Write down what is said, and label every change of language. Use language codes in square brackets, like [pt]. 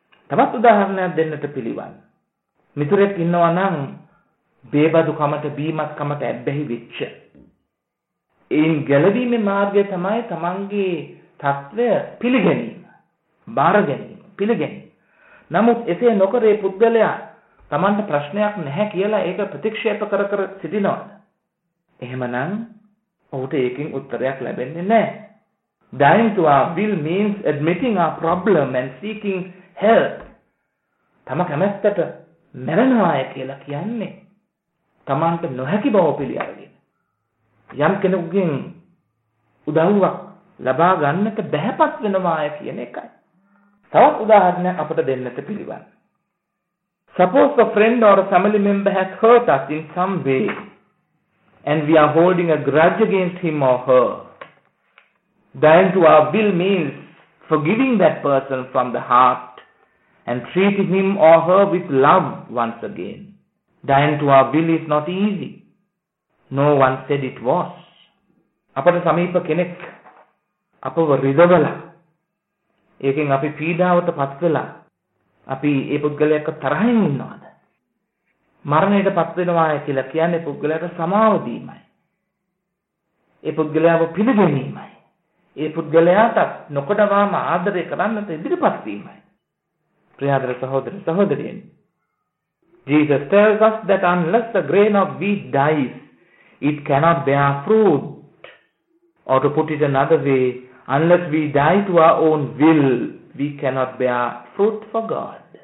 [si] තවත් උදාහරණයක් දෙන්නට පිළිවන්. මිතුරෙක් ඉන්නවා නම් බේබදුකමට බීමත්කමට ඇබ්බැහි වෙච්ච, එයින් ගැලවීමේ මාර්ගය තමයි තමන්ගේ තත්ත්වය පිළිගැනීම, බාර ගැනීම, පිළිගැනීම. නමුත් එසේ නොකරේ පුද්ගලයා තමන්ට ප්‍රශ්නයක් නැහැ කියලා ඒක ප්‍රතික්ෂේප කර කර සිටිනවා, එහෙමනම් ඔහුට ඒකෙන් උත්තරයක් ලැබෙන්නේ නැහැ. [en] Dying to our will means admitting our problem and seeking help. [si] තම කැමැත්තට මැරෙනවාය කියලා කියන්නේ තමන්ට නොහැකි බව පිළිගැනීම. යම් කෙනෙකුගෙන් උදව්වක් ලබා ගන්නට බැහැපත් වෙනවාය කියන එකයි. තවත් උදාහරණයක් අපට දෙන්නට පිළිවන්. [en] Suppose a friend or a family member has hurt us in some way and we are holding a grudge against him or her. Dying to our will means forgiving that person from the heart and treating him or her with love once again. Dying to our will is not easy. No one said it was. [si] අපට සමීප කෙනෙක් අපව රිදවලා ඒකෙන් අපි පීඩාවට පත් වෙලා අපි ඒ පුද්ගලයාට තරහින් ඉන්නවද? මරණයට පත් වෙනවා කියලා කියන්නේ පුද්ගලයාට සමාව දීමයි. ඒ පුද්ගලයාව පිළිගැනීමයි. ඒ පුද්ගලයාට නොකඩවාම ආදරය කරන්නට ඉදිරිපත් වීමයි. ප්‍රියදර සහෝදර සහෝදරියනි. [en] Jesus tells us that unless a grain of wheat dies, it cannot bear fruit. Or to put it another way, unless we die to our own will, we cannot bear fruit for God.